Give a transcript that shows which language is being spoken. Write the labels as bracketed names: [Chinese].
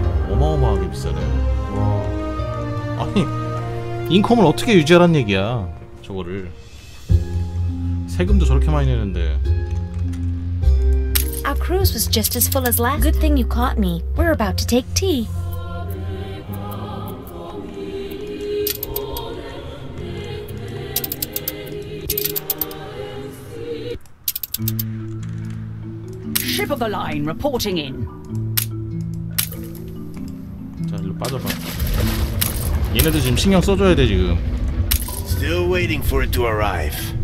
[Korean] 어마어마하게 비싸네. 아니, 인컴을 어떻게 유지하란 얘기야 저거를. 세금도 저렇게 많이 내는데. [English] Our cruise was just as full as last. Good thing you caught me. We're about to take tea. Ship of the line reporting in. [Korean] 자, 일로 빠져봐. 얘네들 지금 신경 써줘야 돼 지금. [English] Still waiting for it to arrive.